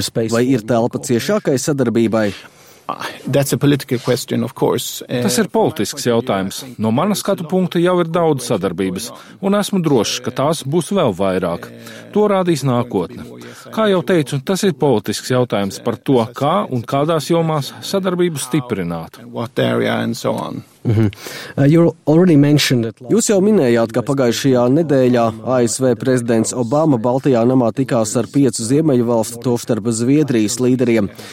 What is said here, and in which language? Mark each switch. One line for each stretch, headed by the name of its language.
Latvian: Vai ir telpa ciešākai sadarbībai?
English: That's a political question, of course.
Latvian: Tas ir politisks jautājums. No manas skatu punkta jau ir daudz sadarbības, un esmu drošs, ka tās būs vēl vairāk. To rādīs nākotne. Kā jau teicu, tas ir politisks jautājums par to, kā un kādās jomās sadarbību stiprināt. Jūs jau minējāt, ka pagājušajā nedēļā ASV prezidents Obama Baltijā namā tikās ar 5 ziemeļu valstu, tostarp Zviedrijas līderiem.